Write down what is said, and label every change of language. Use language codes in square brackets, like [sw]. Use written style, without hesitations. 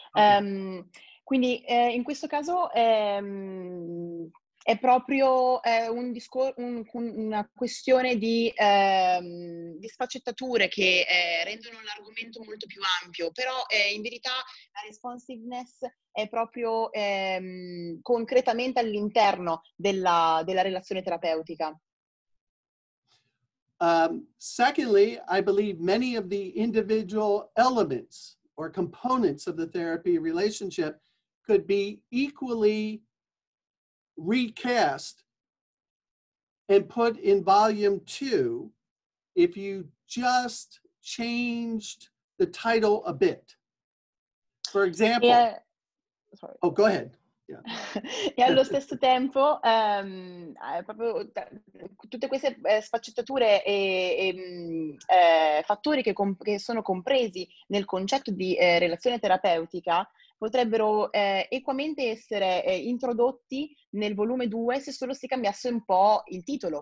[it] Quindi in questo caso è proprio una questione di sfaccettature che rendono l'argomento molto più ampio, però in verità la responsiveness è proprio concretamente all'interno della relazione terapeutica. [en] Secondly, I believe many of the individual elements or components of the therapy relationship could be equally recast and put in volume two if you just changed the title a bit. For example, go ahead. [it] Yeah. E allo stesso tempo, proprio tutte queste sfaccettature e fattori che sono compresi nel concetto di relazione terapeutica potrebbero equamente essere introdotti nel volume 2 se solo si cambiasse un po' il titolo.